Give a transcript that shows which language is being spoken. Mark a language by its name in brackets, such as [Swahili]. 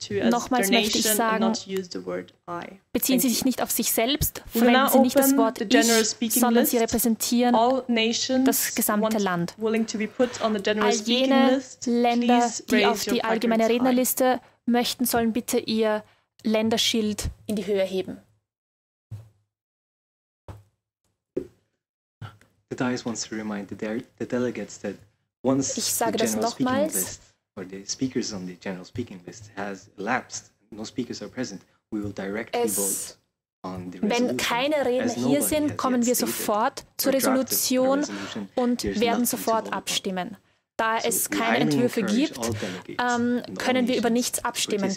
[German] Nochmals möchte ich sagen, beziehen Sie sich nicht auf sich selbst, verwenden Sie nicht das Wort Ich, sondern Sie repräsentieren das gesamte Land. All jene Länder, die auf die allgemeine Rednerliste möchten, sollen bitte ihr Länderschild in die Höhe heben. [English] The dais wants to remind the delegates that once [German] ich sage [English] the general speaking list or the speakers on the general speaking list has elapsed, no speakers are present, we will directly vote on the resolution. [German] Wenn keine Redner hier sind, kommen wir sofort zur Resolution und werden sofort abstimmen. Da es keine Entwürfe gibt, können wir über nichts abstimmen.